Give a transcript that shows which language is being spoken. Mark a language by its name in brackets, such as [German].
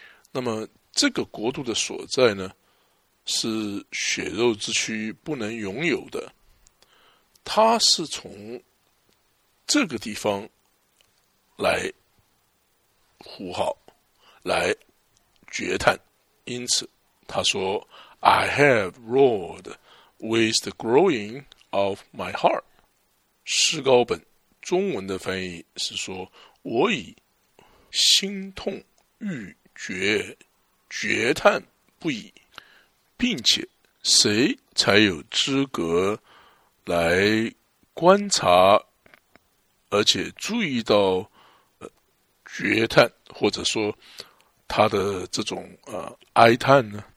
[Chinese] 那么这个国度的所在呢，是血肉之躯不能拥有的，他是从这个地方来呼号，来绝叹。因此他说 [English] I have roared with the growing of my heart。 [Chinese] 诗高本中文的翻译是说，我以心痛欲绝绝叹不已。并且谁才有资格来观察而且注意到绝叹，或者说他的这种哀叹呢？